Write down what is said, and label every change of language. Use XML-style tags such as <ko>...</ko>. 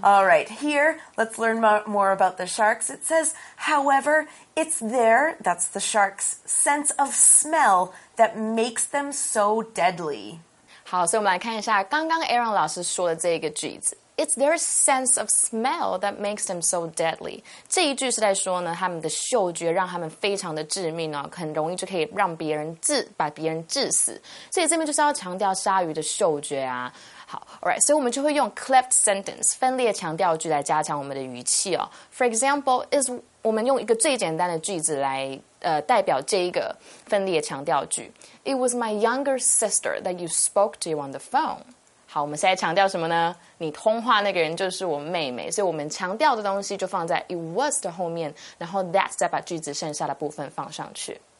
<en>All right. Here, let's learn more about the sharks. It says, however, it's their, that's the shark's, sense of smell that makes them so deadly.</en> <zh>好，所以我们来看一下刚刚 Aaron 老师说的这个句子。</zh> <en>It's their sense of smell that makes them so deadly.</en> <zh>这一句是在说呢，他们的嗅觉让他们非常的致命哦，很容易就可以让别人把别人致死。所以这边就是要强调鲨鱼的嗅觉啊。好 ，Alright， 所以我们就会用 cleft sentence 分裂强调句来加强我们的语气哦。</zh> <en>For example, is</en> <zh>我们用一个最简单的句子来代表这一个分裂强调句。</zh> <en>It was my younger sister that you spoke to on the phone.</en> <zh>好，我们现在强调什么呢？你通话那个人就是我妹妹，所以我们强调的东西就放在 it was 的后面，然后 that 再把句子剩下的部分放上去。</zh>